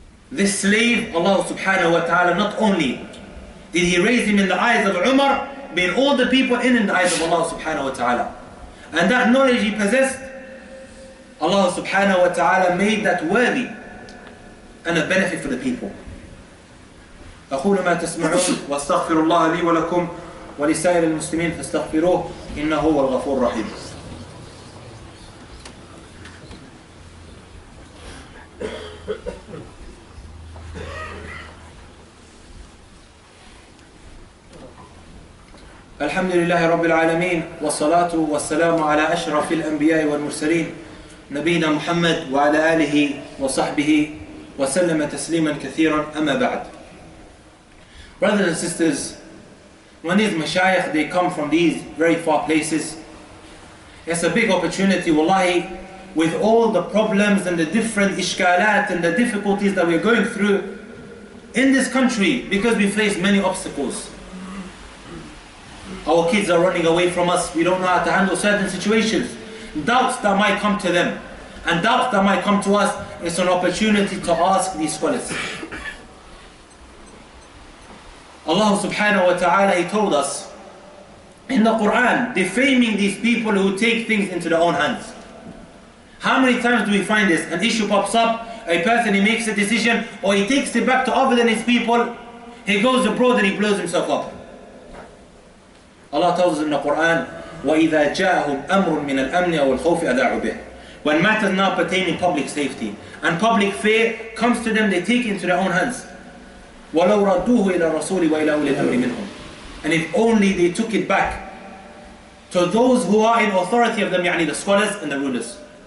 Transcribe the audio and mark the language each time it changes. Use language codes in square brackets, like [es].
[en] This slave, Allah subhanahu wa ta'ala, not only did he raise him in the eyes of Umar, but all the people in the eyes of Allah subhanahu wa ta'ala. And that knowledge he possessed, Allah subhanahu wa ta'ala made that worthy and a benefit for the people. [ar] أقول ما تسمعون واستغفر الله لي ولكم ولسائر المسلمين فاستغفروه إنه هو الغفور الرحيم. الحمد لله رب العالمين والصلاة والسلام على أشرف الأنبياء والمرسلين نبينا محمد وعلى آله وصحبه وسلم تسليما كثيرا أما بعد. [en] Brothers and sisters, when these mashayikh, they come from these very far places, it's a big opportunity, wallahi, with all the problems and the different ishkalat and the difficulties that we're going through in this country, because we face many obstacles. Our kids are running away from us. We don't know how to handle certain situations. Doubts that might come to them, and doubts that might come to us, it's an opportunity to ask these scholars. Allah subhanahu wa ta'ala, he told us in the Quran, defaming these people who take things into their own hands. How many times do we find this? An issue pops up, a person, he makes a decision, or he takes it back to other than his people, he goes abroad and he blows himself up. Allah tells us in the Quran, [ar] وَإِذَا جَاءَهُمْ أَمْرٌ مِنَ الْأَمْنِ أَوَ الْخَوْفِ أَدَاعُوا بِهِ. [en] When matters now pertaining public safety and public fear comes to them, they take it into their own hands. [ar] وَلَوْ رَدُّوهُ إِلَى الرَّسُولِ وَإِلَى أُولِي الْأَمْرِ مِنْهُمْ. [en] And if only they took it back to those who are in authority of them, يعني the scholars and the rulers.